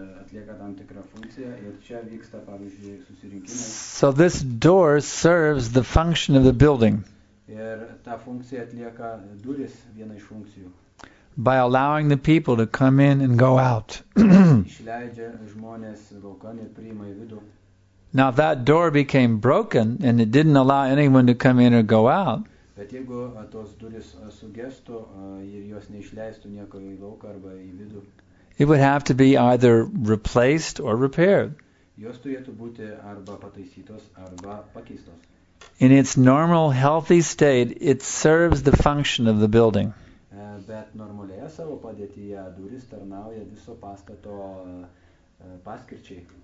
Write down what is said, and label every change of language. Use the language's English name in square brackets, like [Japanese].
[Lithuanian] atlieka tam tikrą funkciją ir čia vyksta, pavyzdžiui, susirinkimas. [English] So this door serves the function of the building. [Lithuanian] Ir ta funkcija atlieka duris vieną iš funkcijų. [English] By allowing the people to come in and go out. [Lithuanian] Išleidžia žmonės laukan ir priima į vidų. [English] Now if that door became broken and it didn't allow anyone to come in or go out. [Lithuanian] Bet jeigu tos duris sugestų ir jos neišleistų nieko į lauką arba į vidų. [English] It would have to be either replaced or repaired. [Lithuanian] Jos turėtų būti arba pataisytos arba pakeistos. [English] In its normal healthy state, it serves the function of the building. [Lithuanian] Bet normalioje savo padėtyje duris tarnauja viso pastato paskirčiai.